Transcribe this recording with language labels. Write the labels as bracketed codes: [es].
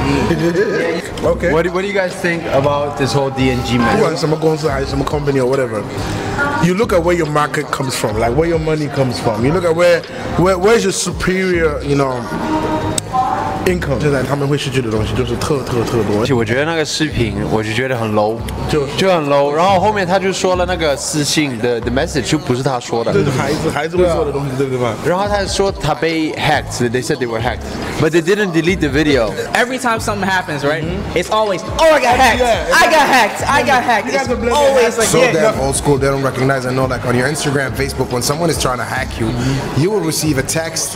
[en] Yeah, baby. Okay. What do you guys think about this whole D&G, man? Who wants some going to some company or whatever? You look at where your market comes from, like where your money comes from. You look at where's your superior, you know, income. [zh] 现在他们会失去的东西就是特多。我觉得那个视频我就觉得很 low。就很 low， 然后后面他就说了那个私信的 message 就不是他说的，对，孩子会做的东西，对不对嘛？然后他说他被 [en] hacked， they said they were hacked， but they didn't delete the video。 Every time something happens, right?、Mm-hmm. It's always, oh, I got hacked, yeah, I got hacked, I got hacked. It's always so damn old school. They don't recognize. I know, like on your Instagram, Facebook, when someone is trying to hack you, you will receive a text,